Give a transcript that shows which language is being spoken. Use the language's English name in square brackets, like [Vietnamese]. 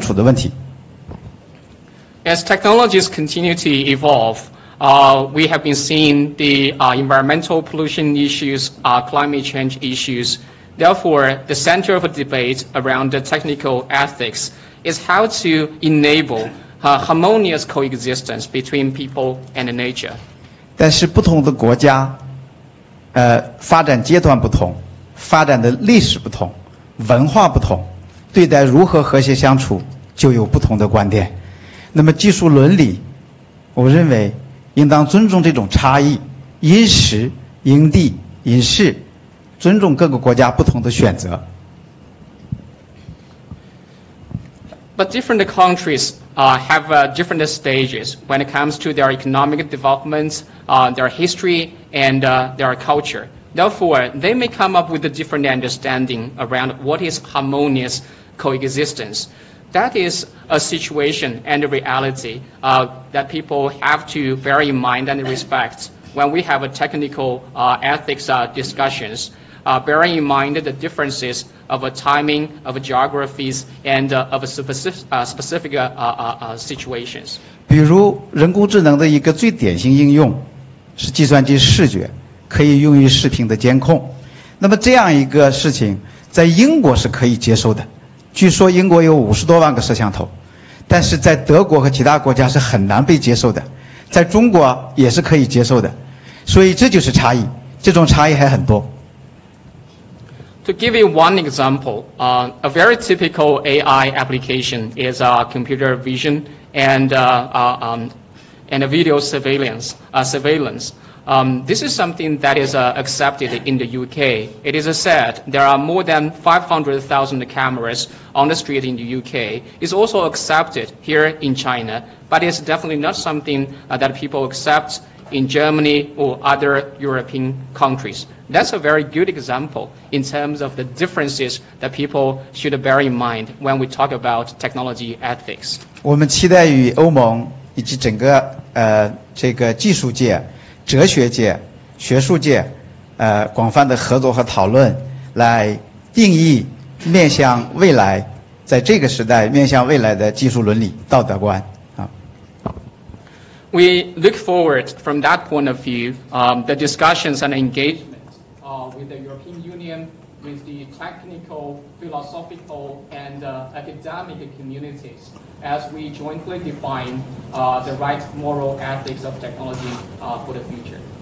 [Chinese] 这随着技术的发展，我们看到了很多这个自然受到了破坏的环境问题，这个气候变暖的问题，环境破坏的问题。因此，这个时候的技术伦理需要回答的问题是如何实现人与自然之间的和谐共处的问题。 [English] As technologies continue to evolve, we have been seeing the environmental pollution issues, climate change issues. Therefore, the center of a debate around the technical ethics is how to enable a harmonious coexistence between people and nature. [Chinese] 但是不同的国家，发展阶段不同，发展的历史不同，文化不同，对待如何和谐相处就有不同的观点。那么技术伦理，我认为 应当尊重这种差异，因时、因地、因事，尊重各个国家不同的选择。 [English] But different countries have different stages when it comes to their economic developments, their history, and their culture. Therefore, they may come up with a different understanding around what is harmonious coexistence. That is a situation and a reality that people have to bear in mind and respect when we have a technical ethics discussions, bearing in mind the differences of a timing, of a geographies, and of a specific situations. [Chinese] 比如人工智能的一个最典型应用是计算机视觉，可以用于视频的监控。那么这样一个事情在英国是可以接受的，据说英国有50多万个摄像头，但是在德国和其他国家是很难被接受的，在中国也是可以接受的，所以这就是差异，这种差异还很多。 [English] To give you one example, a very typical AI application is computer vision and a video surveillance. This is something that is accepted in the UK. It is said there are more than 500,000 cameras on the street in the UK. It's also accepted here in China, but it's definitely not something that people accept in Germany or other European countries. That's a very good example in terms of the differences that people should bear in mind when we talk about technology ethics. [Chinese] 我们期待与欧盟以及整个这个技术界、哲学界、学术界广泛的合作和讨论，来定义面向未来，在这个时代面向未来的技术伦理道德观。 [English] We look forward from that point of view, the discussions and engagement with the European Union, with the technical, philosophical, and academic communities as we jointly define the right moral ethics of technology for the future.